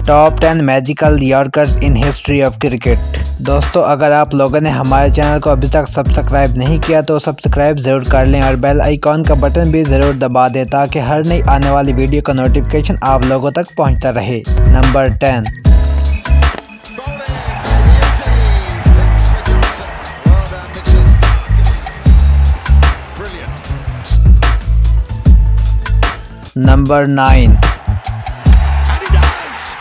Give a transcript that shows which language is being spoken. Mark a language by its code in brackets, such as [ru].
[en] Top 10 Magical Yorkers in History of Cricket. [hi] दोस्तों अगर आप लोगों ने हमारे चैनल को अभी तक सब्सक्राइब नहीं किया तो सब्सक्राइब जरूर कर लें और बेल आइकॉन का बटन भी जरूर दबा दें ताकि हर नई आने वाली वीडियो का नोटिफिकेशन आप लोगों तक पहुंचता रहे. Number 10 [en] Number 9 And he does!